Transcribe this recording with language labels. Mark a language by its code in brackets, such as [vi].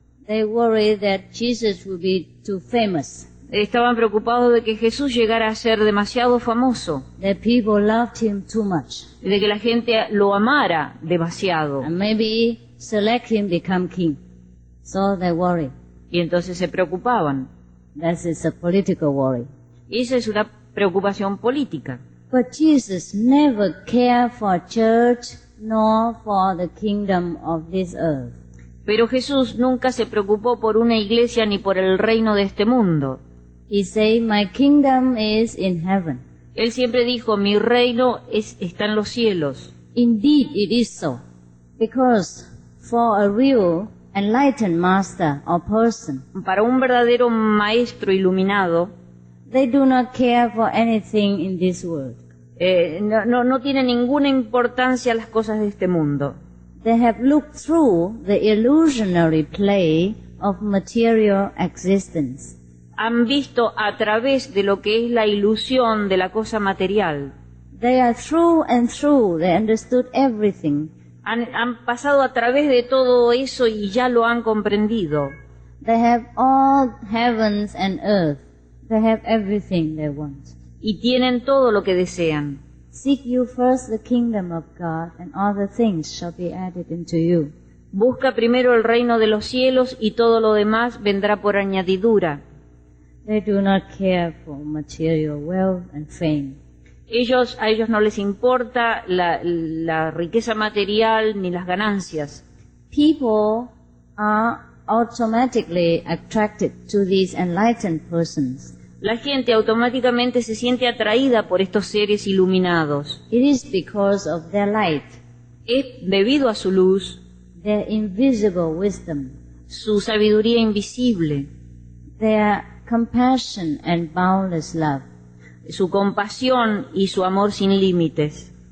[en] They worried that Jesus would be too famous. [es] Estaban preocupados de que Jesús llegara a ser demasiado famoso. [en] The people loved him too much. [es] Y de que la gente lo amara demasiado. [en] And maybe select him become king. So they worry. [es] Y entonces se preocupaban. [en] That is a political worry. [es] Esa es una preocupación política. [en] But Jesus never cared for church nor for the kingdom of this earth. [es] Pero Jesús nunca se preocupó por una iglesia ni por el reino de este mundo. [en] He said, "My kingdom is in heaven." [es] Él siempre dijo, "Mi reino está en los cielos." [en] Indeed, it is so, because for a real enlightened master or person, [es] para un verdadero maestro iluminado, [en] they do not care for anything in this world. [es] No tiene ninguna importancia las cosas de este mundo. [en] They have looked through the illusionary play of material existence. [es] Han visto a través de lo que es la ilusión de la cosa material. [en] They are through and through. They understood everything. [es] Han pasado a través de todo eso y ya lo han comprendido. [en] They have all heavens and earth. They have everything they want. [es] Y tienen todo lo que desean. [en] Seek you first the kingdom of God, and all the things shall be added unto you. [es] Busca primero el reino de los cielos y todo lo demás vendrá por añadidura. [en] They do not care for material wealth and fame. [es] Ellos, a ellos no les importa la riqueza material ni las ganancias. [en] People are automatically attracted to these enlightened persons. [es] La gente automáticamente se siente atraída por estos seres iluminados. [en] It is because of their light. [es] Es debido a su luz, [en] their invisible wisdom, [es] su sabiduría invisible, [en] their compassion and boundless love, [es] su compasión y su amor sin límites.